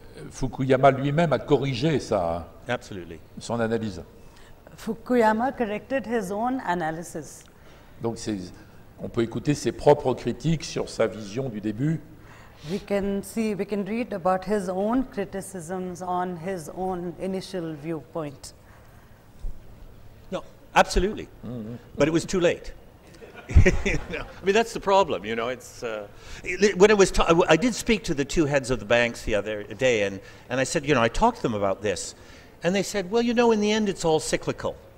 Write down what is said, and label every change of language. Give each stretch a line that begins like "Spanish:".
French: Fukuyama lui-même a corrigé sa,
English: absolutely,
French: son analyse.
English: Fukuyama corrected his own analysis.
French: Donc c'est, on peut écouter ses propres critiques sur sa vision du début.
English: We can read about his own criticisms on his own initial viewpoint. No, absolutely. Mm-hmm. But it was too late. I mean, that's the problem, you know. It's when it was I did speak to the two heads of the banks the other day, and I said, you know, I talked to them about this, and they said, well, you know, in the end, it's all cyclical.